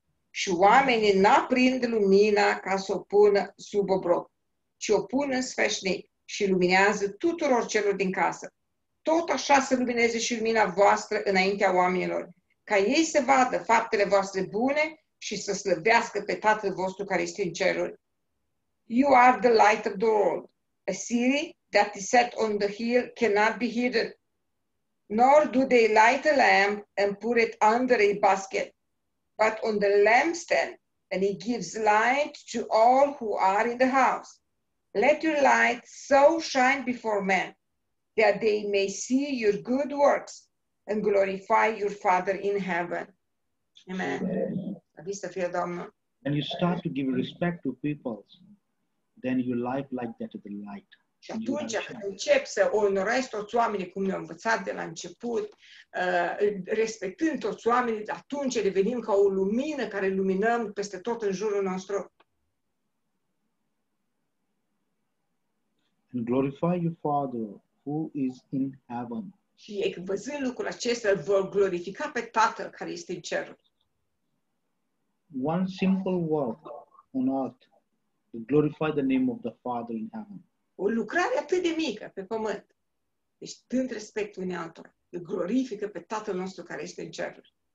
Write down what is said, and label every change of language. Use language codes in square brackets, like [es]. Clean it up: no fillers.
[ro] Și oamenii n-aprind lumina ca să o pună sub obroc, ci o pun în sfeșnic și luminează tuturor celor din casă. Tot așa să lumineze și lumina voastră înaintea oamenilor, ca ei să vadă faptele voastre bune și să slăvească pe Tatăl vostru care este în ceruri. [en] You are the light of the world. A city that is set on the hill cannot be hidden. Nor do they light a lamp and put it under a basket, but on the lampstand, and it gives light to all who are in the house. Let your light so shine before men, that they may see your good works and glorify your Father in heaven. Amen. And you start to give respect to people. then you live like that at the light. [ro] Și atunci încep să onorezi toți oamenii cum ne-au învățat de la început, respectând toți oamenii, atunci devenim ca o lumină care luminăm peste tot în jurul nostru. [en] And glorify your Father who is in heaven. [ro] Și văzând lucrul acesta, vă glorifica pe Tatăl care este în cerul. [en] One simple work on earth to glorify the name of the Father in heaven. [ro] O lucrare atât de mică pe pământ, deci dând respect unui altor, îl glorifică pe Tatăl nostru care este în cerul.